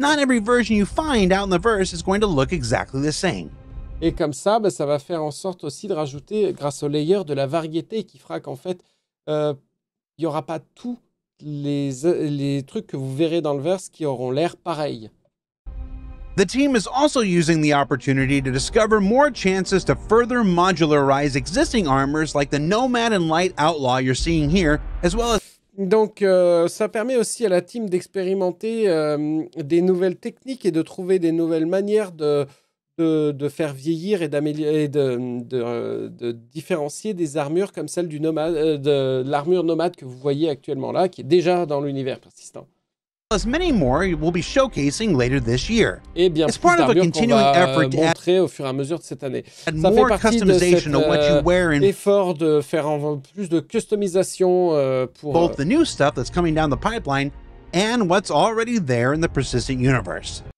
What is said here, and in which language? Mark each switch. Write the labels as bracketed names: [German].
[English] Not every version you find out in the verse is going to look exactly the same. [French] Et comme ça, bah, ça va faire en sorte aussi de rajouter, grâce au layer, de la variété qui fera qu'en fait, il n'y aura pas tous les trucs que vous verrez dans le verse qui auront l'air pareil. [English] The team is also using the opportunity to discover more chances to further modularize existing armors like the Nomad and Light Outlaw you're seeing here, as well as... [French] Donc, ça permet aussi à la team d'expérimenter des nouvelles techniques et de trouver des nouvelles manières de faire vieillir et d'améliorer de différencier des armures comme celle du nomade, de l'armure nomade que vous voyez actuellement là, qui est déjà dans l'univers persistant. [English] As many more will be showcasing later this year. [French] Et bien plus d'armures qu'on va montrer au fur et à mesure de cette année. Ça fait partie de cet effort de faire plus de customisation pour [English] both the new stuff that's coming down the pipeline and what's already there in the persistent universe.